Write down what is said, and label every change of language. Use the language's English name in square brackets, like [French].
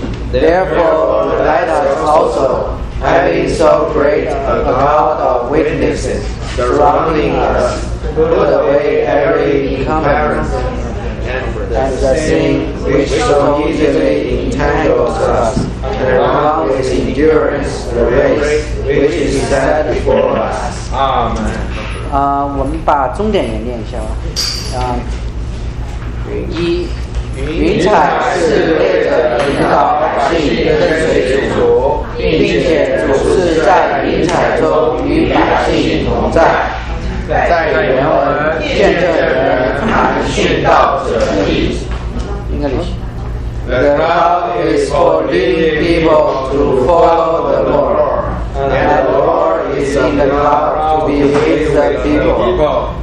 [English] Therefore, let us also, having so great a cloud of witnesses surrounding us, put away every encumbrance and the sin which so easily entangles us, and run with endurance the race which is set before us. Amen. [Chinese] 我们把终点也念一下吧。一，云彩是为着引导百姓跟随主，并且主是在云彩中与百姓同在。在原文，见证人含殉道者的意思。应该理解。 [English] The cloud is for leading people to follow the Lord, and the Lord is in the cloud to be with the people.